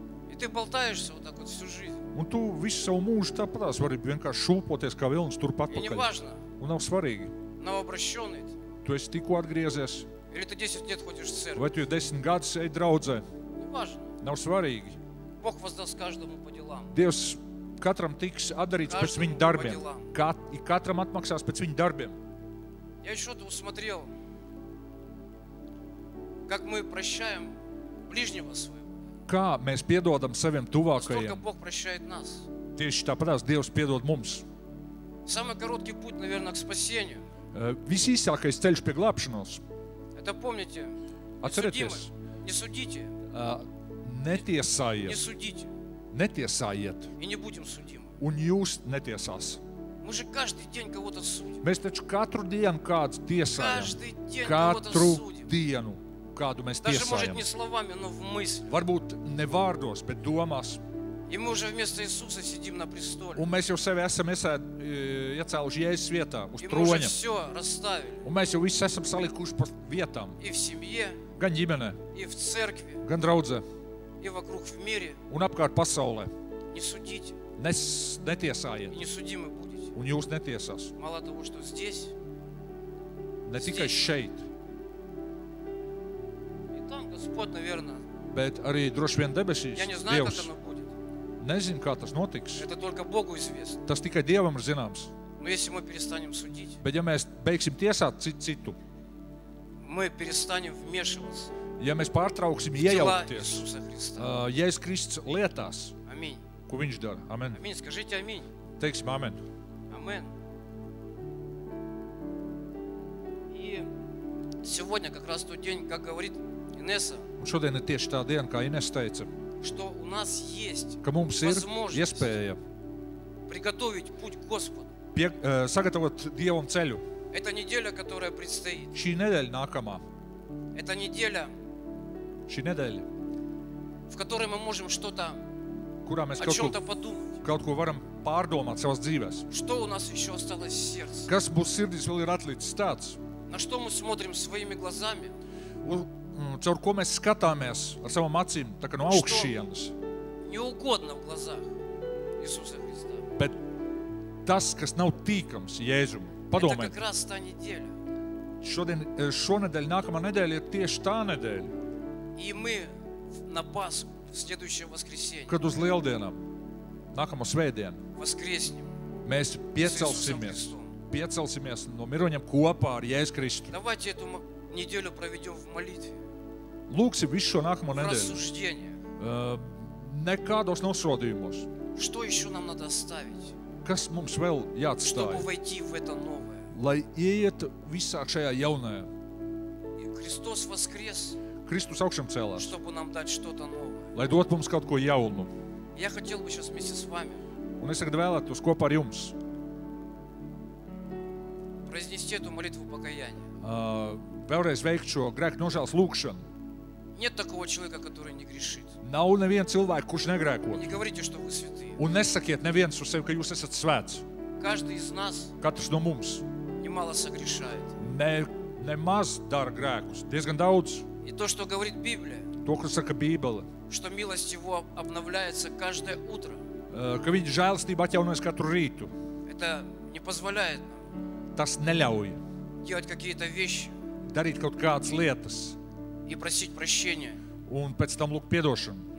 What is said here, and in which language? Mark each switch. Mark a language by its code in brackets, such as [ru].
[ru] И ты болтаешься вот так вот всю жизнь. [lv] Un tu visu savu mūžu tāpatās vari vienkārši šūpoties kā vilnis tur pat pakaļ. [ru] И неважно. [lv] Un nav svarīgi. [ru] Новообращённый. [lv] Tu esi tikko atgriezies. [ru] Или ты 10 лет ходишь в церковь. [lv] Vai tu 10 gadus ej draudzē. [ru] Неважно. [lv] Nav svarīgi. [ru] Бог воздаст каждому по делам. [lv] Dievs katram tiks atdarīts pēc viņa darbiem. Katram atmaksās pēc viņa darbiem. [ru] Я ещё тут смотрел, как мы прощаем ближнего своего. [lv] Kā mēs piedodam saviem tuvākajiem. [ru] Сколько Бог прощает нас. [lv] Tieši tāpatās Dievs piedod mums. [ru] Самый короткий путь, наверное, к спасению. [lv] Visīsākais ceļš pie glābšanos. [ru] Это помните. [lv] Atcerieties. [ru] Не судите. [lv] Netiesājiet. [ru] Не судите. [lv] Netiesājiet. [ru] И не будем судимы. [lv] Un jūs netiesās. [ru] Мы же каждый день кого-то судим. [lv] Mēs taču katru dienu kāds tiesājam. [ru] Каждый день [lv] katru [ru] судим. [lv] Dienu kādu mēs [ru] Даже, [lv] tiesājam. [ru] Даже, может, не словами, но в мыслях. [lv] Varbūt ne vārdos, bet domās. [ru] И мы уже вместо Иисуса сидим на престоле. [lv] Un mēs jau sevi esam iecēluši Jēzus vietā, uz troņa. [ru] И мы уже все расставили. [lv] Un mēs jau visu esam salikuši par vietām. [ru] И в семье. [lv] Gan ģimenē. [ru] И в церкви. [lv] Gan draudzē. [ru] И вокруг в мире. [lv] Un apkārt pasaulē. [ru] Не судите. [lv] Netiesājiet. [ru] И не судимы будете. [lv] Un jūs netiesās. [ru] Мало того, что здесь. [lv] Ne tikai šeit. [ru] И там Господь, наверное. [lv] Bet arī droši vien debesīs. [ru] Я не знаю, [lv] Dievs. [ru] Как оно будет. [lv] Nezinu, kā tas notiks. [ru] Это только Богу известно. [lv] Tas tikai Dievam ir zināms. [ru] Но если мы перестанем судить. [lv] Bet ja mēs beigsim tiesāt citu. [ru] Мы перестанем вмешиваться. [lv] Ja mēs pārtrauksim iejaukties. Jēzus Kristus lietās. Amen. Ko viņš dara? Amen. [ru] Amen. Skažite amen. [lv] Teiksim amen. Amen. [ru] И сегодня как раз тот день, как говорит Инесса. [lv] Un šodien ir tieši tā diena, kā Inesa teica. [ru] Что у нас есть. [lv] Ka mums ir iespēja. [ru] Приготовить путь Господу. [lv] Sagatavot Dievam ceļu. [ru] Эта неделя, которая предстоит. [lv] Šī nedēļa nākamā. [ru] Эта неделя. [lv] Šī nedēļa. [ru] В которой мы можем что-то. [lv] Kurā mēs kaut ko varam pārdomāt savas dzīves. [ru] Что у нас ещё осталось в сердце? [lv] Kas mūsu sirdīs vēl ir atlicis tāds? [ru] На что мы смотрим своими глазами? [lv] Caur ko mēs skatāmies ar savām acīm, tā kā no augšienas. [ru] Неугодно в глазах Иисуса Христа. [lv] Bet tas, kas nav tīkams Jēzum. Padomājiet. [ru] Это как раз та неделя. [lv] Šodien, šonedēļ, nākamā nedēļa ir tieši tā nedēļa. [ru] И мы на Пасху, в следующее воскресенье. [lv] Kad uz lieldienām, nākamo svētdienu. [ru] Воскреснем. [lv] Mēs piecelsimies. Piecelsimies no miroņiem kopā ar Jēzu Kristu. [ru] Давайте эту неделю проведём в молитве. [lv] Lūksim visu šo nākamo nedēļu. [ru] В рассуждении. [lv] Nekādos nosodījumos. [ru] Что ещё нам надо оставить? [lv] Kas mums vēl jāatstāj? [ru] Чтобы войти в это новое. [lv] Lai ieiet visā šajā jaunajā. [ru] Христос воскрес. [lv] Христос augšām cēlās. [ru] Чтобы нам дать что-то новое. [lv] Lai dot mums kaut ko jaunu. [ru] Я хотел бы сейчас вместе с вами. [lv] Un es tagad vēlētos kopā ar jums. [ru] Произнести эту молитву покаяния. [lv] Vēlreiz veikt šo grēku nožēlas lūkšanu. [ru] Нет такого человека, который не грешит. [lv] Nav neviena cilvēka, kurš negrēko. [ru] Не говорите, что вы святые. [lv] Un nesakiet neviens uz sevi, ka jūs esat svēts. [ru] Каждый из нас. [lv] Katrs no mums. [ru] Немало согрешает. [lv] Nemaz dar grēkus, diezgan daudz. [ru] И то, что говорит Библия. [lv] То, ko saka Bībele. [ru] Что милость его обновляется каждое утро. [lv] Ka viņa žēlstība atjaunojas katru rītu. [ru] Это не позволяет нам. [lv] Tas neļauj. [ru] Делать какие-то вещи. [lv] Darīt kaut kādas lietas. [ru] И просить прощения. [lv] Un pēc tam lūk piedošanu.